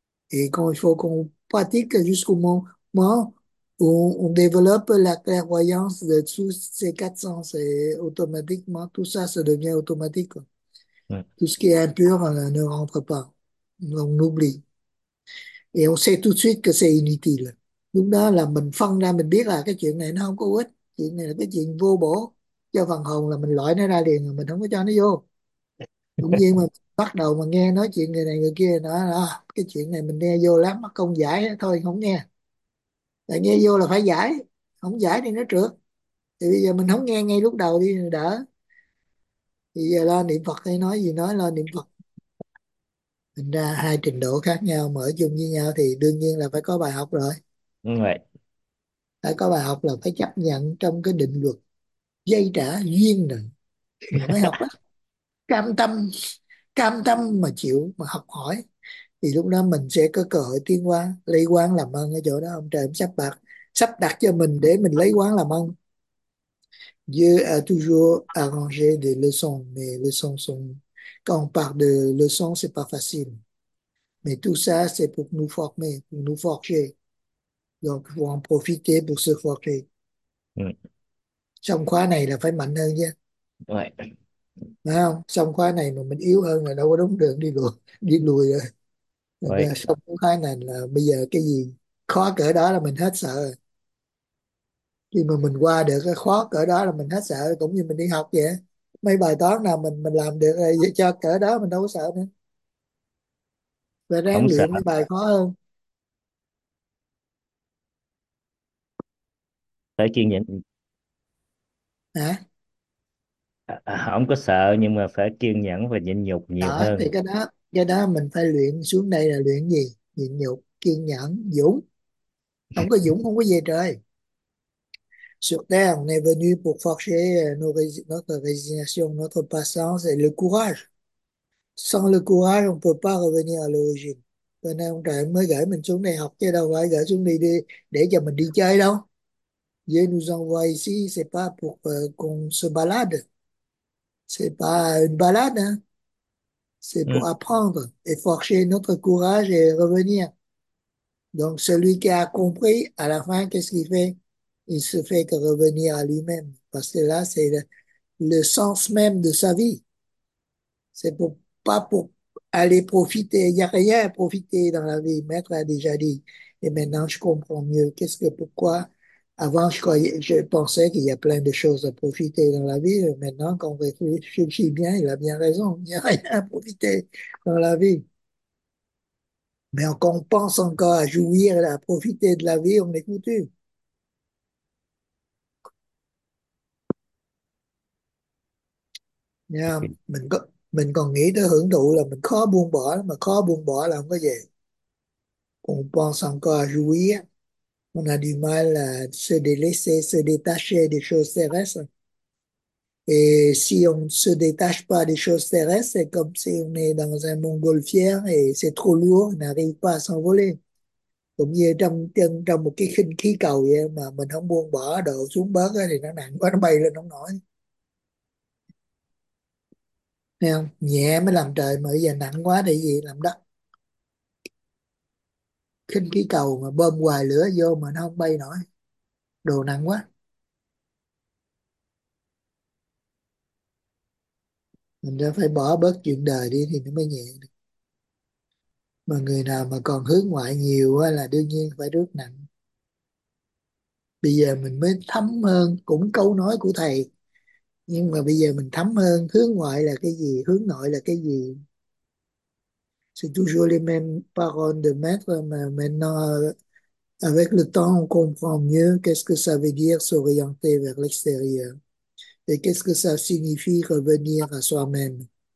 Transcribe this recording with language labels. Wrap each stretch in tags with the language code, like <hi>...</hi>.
<fr>Et quand il faut qu'on pratique jusqu'au moment où on développe la clairvoyance de tous ces quatre sens, et automatiquement, tout ça devient automatique. Tout ce qui est impur ne rentre pas. On oublie. Et on sait tout de suite que c'est inutile.</fr> <vi>Lúc đó là mình phân ra, mình biết là cái chuyện này nó không có ích. Chuyện này là cái chuyện vô bổ cho phần hồn, là mình loại nó ra liền, mình không có cho nó vô. Cũng như mà bắt đầu mà nghe nói chuyện người này người kia nữa là cái chuyện này mình nghe vô lắm, mắc công giải thôi không nghe. Tại nghe vô là phải giải, không giải thì nó trượt. Thì bây giờ mình không nghe ngay lúc đầu đi đỡ, thì giờ lo niệm Phật hay nói gì nói, lo niệm Phật. Thành ra hai trình độ khác nhau mà ở chung với nhau thì đương nhiên là phải có bài học rồi. Phải có bài học là phải chấp nhận trong cái định luật dây trả duyên nợ mình mới học đó. Cam tâm mà chịu mà học hỏi thì lúc đó mình sẽ có cơ hội tiến hóa. Lấy quán làm ăn ở chỗ đó, ông trời ông sắp đặt cho mình để mình lấy quán làm ăn.</vi> <fr>Dieu a toujours arrangé des leçons, mais leçons sont, quand on parle de leçons, c'est pas facile, mais tout ça c'est pour nous former, pour nous forger. Donc, il faut en profiter pour se forger.</fr> <vi>Trong khóa này là phải mạnh hơn nhé. Phải không? Trong khóa này mà mình yếu hơn là đâu có đúng đường đi lùi rồi. Thành ra trong khóa này là bây giờ cái gì khó cỡ đó là mình hết sợ rồi. Khi mà mình qua được cái khó cỡ đó là mình hết sợ rồi. Cũng như mình đi học vậy. Mấy bài toán nào mình làm được rồi, cho cỡ đó mình đâu có sợ nữa. Và ráng Không sợ. luyện mấy bài khó hơn. Phải kiên nhẫn. Hả? Không có sợ nhưng mà phải kiên nhẫn và nhịn nhục nhiều Đó thì hơn. cái đó mình phải luyện xuống đây là luyện gì? Nhịn nhục, kiên nhẫn, dũng. Ông có Dũng không có về trời.</vi> <fr>Sur terre, on est venu pour forger notre résignation, notre patience et le courage. Sans le courage, on ne peut pas revenir à l'origine.</fr> <vi>Cho nên ông trời mới gửi mình xuống đây học chứ đâu phải gửi xuống đi để cho mình đi chơi đâu.</vi> <fr>Dieu nous envoie ici, c'est pas pour qu'on se balade. C'est pas une balade, hein. C'est pour apprendre et forger notre courage et revenir. Donc celui qui a compris, à la fin, qu'est-ce qu'il fait? Il se fait que revenir à lui-même. Parce que là, c'est le sens même de sa vie. C'est pour, pas pour aller profiter. Il n'y a rien à profiter dans la vie. Maître a déjà dit. Et maintenant, je comprends mieux. Qu'est-ce que, pourquoi? Avant, je pensais qu'il y a plein de choses à profiter dans la vie. Maintenant, quand on réfléchit bien, il a bien raison. Il n'y a rien à profiter dans la vie. Mais quand on pense encore à jouir et à profiter de la vie, on est foutu.</fr> <vi>Mình còn nghĩ tới hưởng thụ là mình khó buông bỏ lắm, mà khó buông bỏ là không có về. Còn bon sang có chú á,</vi> <fr>on a du mal à se délaisser, se détacher des choses terrestres. Et si on ne se détache pas des choses terrestres, c'est comme si on est dans un montgolfière et c'est trop lourd, on n'arrive pas à s'envoler.</fr> <vi>Cũng như trong trong một cái khinh khí cầu vậy, mà mình không buông bỏ đồ xuống bớt ấy, thì nó nặng quá, nó bay lên không nổi. Thấy không? Nhẹ mới làm trời, mà bây giờ nặng quá để gì làm đất. Khinh khí cầu mà bơm hoài lửa vô mà nó không bay nổi. Đồ nặng quá. Mình đã phải bỏ bớt chuyện đời đi thì nó mới nhẹ. Mà người nào mà còn hướng ngoại nhiều quá là đương nhiên phải rước nặng. Bây giờ mình mới thấm hơn, cũng câu nói của thầy. Nhưng mà bây giờ mình thấm hơn hướng ngoại là cái gì, hướng nội là cái gì.</vi> <fr>C'est toujours les mêmes paroles de maître, mais maintenant, avec le temps, on comprend mieux qu'est-ce que ça veut dire s'orienter vers l'extérieur et qu'est-ce que ça signifie revenir à soi-même.</fr>